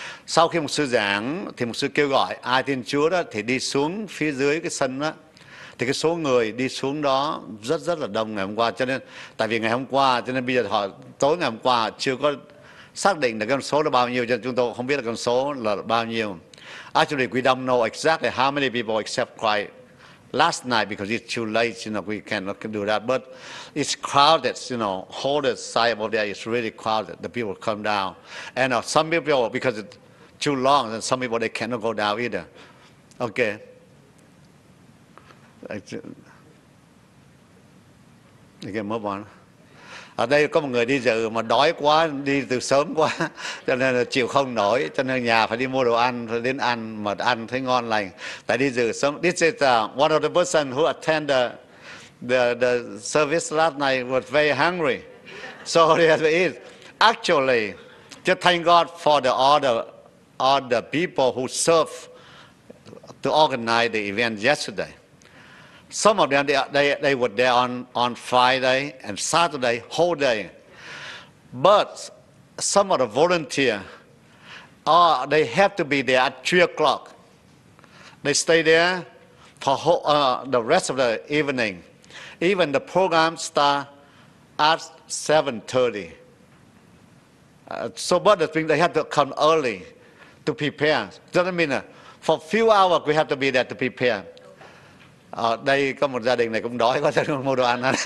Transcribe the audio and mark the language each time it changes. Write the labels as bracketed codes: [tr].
[vi] Sau khi một sư giảng, thì một sư kêu gọi ai tin Chúa đó thì đi xuống phía dưới cái sân đó. Thì cái số người đi xuống đó rất rất là đông ngày hôm qua. Cho nên tại vì ngày hôm qua, cho nên bây giờ họ tối ngày hôm qua chưa có xác định được con số là bao nhiêu, cho chúng tôi không biết là con số là bao nhiêu. [en] Actually, we don't know exactly how many people accept Christ last night because it's too late, you know, we cannot do that. But it's crowded, you know, whole the side over there is really crowded. The people come down. And some people, because it's too long, then some people, they cannot go down either. Okay. Okay, move on. [vi] Ở đây có một người đi dự mà đói quá, đi từ sớm quá, cho nên là chịu không nổi, cho nên nhà phải đi mua đồ ăn, phải đến ăn, mà ăn thấy ngon lành. Tại đi dự sớm. [en] This is one of the person who attended the service last night was very hungry. So he had to eat. Actually, just thank God for all the people who served to organize the event yesterday. Some of them, they were there on Friday and Saturday, whole day. But some of the volunteers, they have to be there at 3 o'clock. They stay there for the rest of the evening. Even the program starts at 7:30. So but the thing, they have to come early to prepare. Doesn't mean for a few hours we have to be there to prepare. [vi] Ở đây có một gia đình này cũng đói quá cho nên mua đồ ăn.